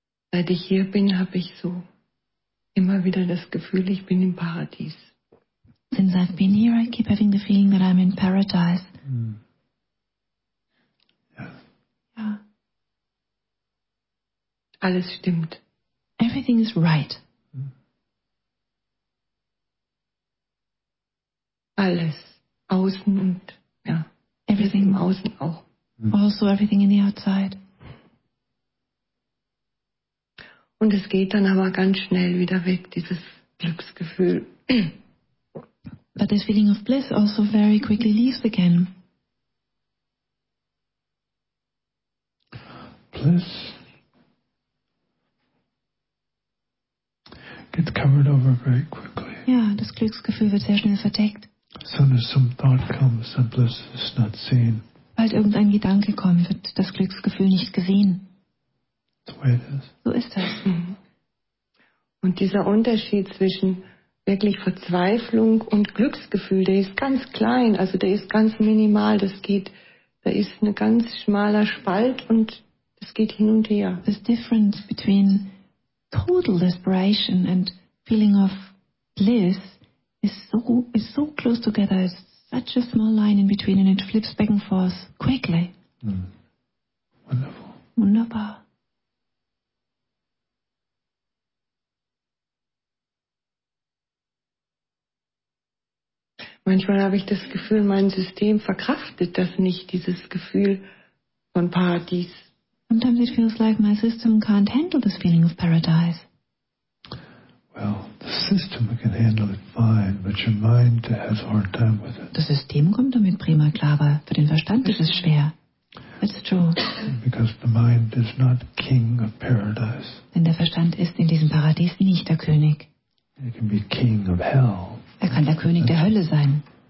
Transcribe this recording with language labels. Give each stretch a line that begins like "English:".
German: Seit ich hier bin, habe ich so immer wieder das Gefühl, ich bin im Paradies.
English: Since I've been here, I keep having the feeling that I'm in paradise. Mm. Yeah.
German: Ja. Alles stimmt.
English: Everything is right. Mm.
German: Alles. Außen und, ja.
English: Everything
German: im Außen auch.
English: Mm. Also everything in the outside.
German: Und es geht dann aber ganz schnell wieder weg, dieses Glücksgefühl.
English: But this feeling of bliss also very quickly leaves again. Bliss gets covered over very quickly.
German: Ja, das Glücksgefühl wird sehr schnell verdeckt.
English: As soon as some thought comes, and bliss is not seen.
German: Bald irgendein Gedanke kommt, wird das Glücksgefühl nicht gesehen. So ist das. Und dieser Unterschied zwischen wirklich Verzweiflung und Glücksgefühl, der ist ganz klein, also der ist ganz minimal. Das geht, da ist ein ganz schmaler Spalt und es geht hin und her.
English: This difference between total desperation and feeling of bliss is so close together. It's such a small line in between and it flips back and forth quickly. Mm.
German: Wunderbar. Manchmal habe ich das Gefühl, mein System verkraftet das nicht, dieses Gefühl von Paradies.
English: Sometimes it feels like my system can't handle this feeling of paradise. Well, the system can handle it fine, but your mind has a hard time with it.
German: Das System kommt damit prima klar, aber für den Verstand ist es schwer.
English: That's true. Because the mind is not king of paradise.
German: Denn der Verstand ist in diesem Paradies nicht der König.
English: He can be king of hell.
German: Er kann der König der Hölle sein.